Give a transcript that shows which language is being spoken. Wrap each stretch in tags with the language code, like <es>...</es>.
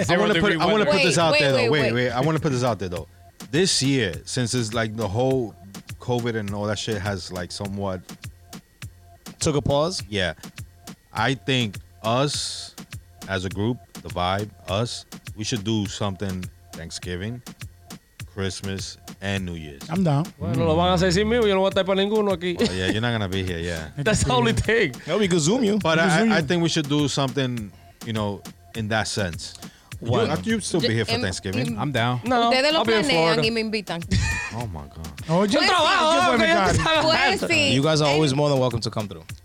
<en>I want to put this out there, though. Wait. I want to put this out there, though. This year, since it's like the whole COVID and all that shit has like somewhat took a pause. Yeah. I think us as a group, the vibe, us, we should do something Thanksgiving, Christmas, and New Year's. I'm down.</en> <es>Bueno, lo van a hacer sin mí, yo no voy a estar para ninguno aquí.</es> <en>Yeah, you're not going to be here. Yeah. That's the only thing. No, we could zoom you. But I think we should do something, you know, in that sense. Why? You still be here for Thanksgiving? I'm down. No,</en> <es>ustedes lo</es> <en>I'll</en> <es>planean</es> <en>be</en> <es>y me invitan.</es> <en>Oh my God.</en> <es>Oh, yo trabajo.</es> <en>You guys are always more than welcome to come through.</en>